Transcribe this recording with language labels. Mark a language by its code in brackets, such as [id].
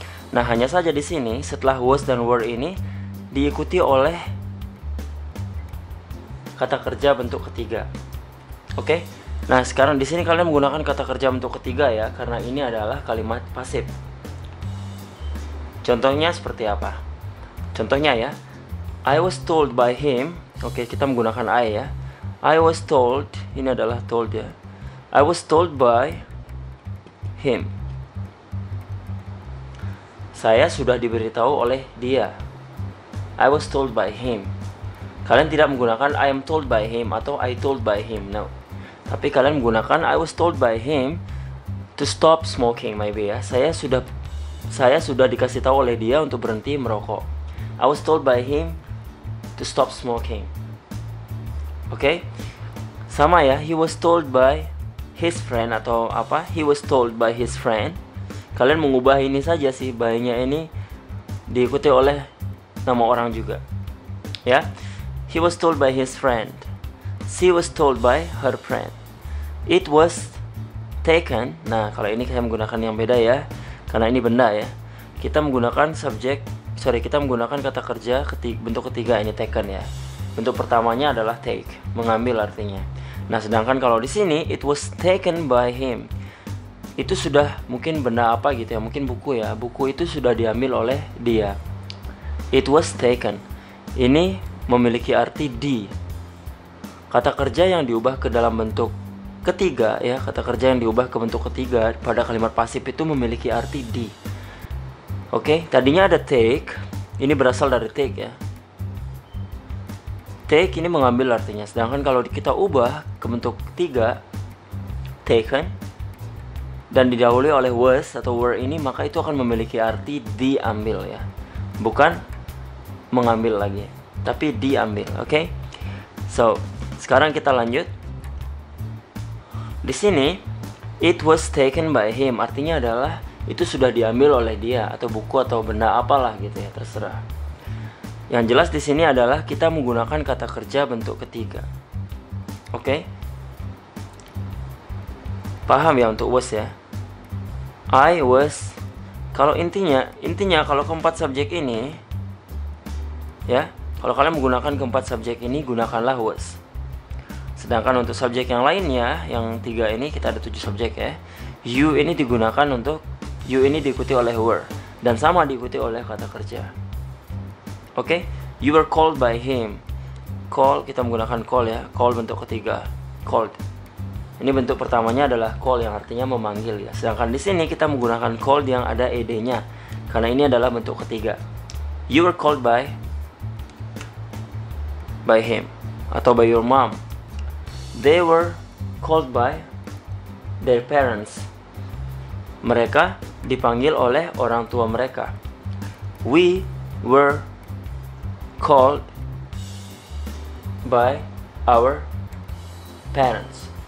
[id] Nah, hanya saja di sini setelah was dan were ini diikuti oleh kata kerja bentuk ketiga. Oke. Okay? Nah, sekarang di sini kalian menggunakan kata kerja bentuk ketiga ya karena ini adalah kalimat pasif. Contohnya seperti apa? Contohnya ya, [en] I was told by him. [id] Oke, kita menggunakan I ya. [en] I was told, [id] ini adalah told ya. [en] I was told by him. [id] Saya sudah diberitahu oleh dia. [en] I was told by him. [id] Kalian tidak menggunakan [en] I am told by him atau I told by him, no. [id] Tapi kalian menggunakan [en] I was told by him to stop smoking, maybe ya. [id] Saya sudah dikasih tahu oleh dia untuk berhenti merokok. [en] I was told by him to stop smoking. Okay? [id] Sama ya, [en] he was told by his friend [id] atau apa? [en] He was told by his friend. [id] Kalian mengubah ini saja sih, by-nya ini diikuti oleh nama orang juga. Ya? Yeah? [en] He was told by his friend. She was told by her friend. It was taken. [id] Nah, kalau ini saya menggunakan yang beda ya. Karena ini benda ya. Kita menggunakan subjek, sorry, kita menggunakan kata kerja bentuk ketiga ini taken ya. Bentuk pertamanya adalah take, mengambil artinya. Nah, sedangkan kalau di sini [en] it was taken by him. [id] Itu sudah mungkin benda apa gitu ya, mungkin buku ya. Buku itu sudah diambil oleh dia. [en] It was taken. [id] Ini memiliki arti di. Kata kerja yang diubah ke dalam bentuk ketiga ya, kata kerja yang diubah ke bentuk ketiga pada kalimat pasif itu memiliki arti di. Oke, tadinya ada take, ini berasal dari take ya. Take ini mengambil artinya. Sedangkan kalau kita ubah ke bentuk ketiga taken dan didahului oleh was atau were ini, maka itu akan memiliki arti diambil ya. Bukan mengambil lagi, tapi diambil, oke? Okay? So, sekarang kita lanjut. Di sini, it was taken by him. Artinya adalah, itu sudah diambil oleh dia. Atau buku, atau benda apalah gitu ya, terserah. Yang jelas di sini adalah, kita menggunakan kata kerja bentuk ketiga. Oke? Okay? Paham ya untuk was ya? I was. Kalau intinya kalau keempat subjek ini, ya, kalau kalian menggunakan keempat subjek ini, gunakanlah was. Sedangkan untuk subjek yang lainnya, yang tiga ini, kita ada tujuh subjek ya. You ini digunakan untuk, you ini diikuti oleh were. Dan sama diikuti oleh kata kerja. Oke? Okay? [en] You were called by him. [id] Call, kita menggunakan call ya. Call bentuk ketiga. Called. Ini bentuk pertamanya adalah call yang artinya memanggil ya. Sedangkan di sini kita menggunakan called yang ada ed-nya. Karena ini adalah bentuk ketiga. [en] You were called by him atau by your mom. They were called by their parents. [id] Mereka dipanggil oleh orang tua mereka. [en] We were called by our parents.